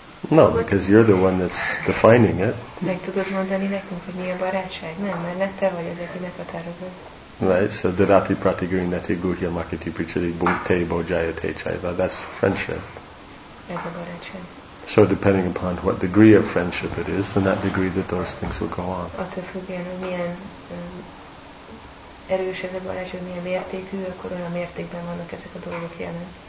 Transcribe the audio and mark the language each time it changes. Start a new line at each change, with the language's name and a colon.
English: No, because you're the one that's defining it.
Hungarian: Meg tudod mondani nekünk, hogy mi a barátság? Nem, mert te vagy az, aki meghatározod.
English: Right, so
Sanskrit: dirati pratigiri neti guhya makiti prichiri bhute bhojayate chaiva,
English: that's friendship.
Hungarian: Ez a barátság.
English: So depending upon what degree of friendship it is, then that degree that those things will go on.
Hungarian: Attól függően, hogy milyen erős ez a barátság, milyen mértékű, akkor olyan mértékben vannak ezek a dolgok jelen.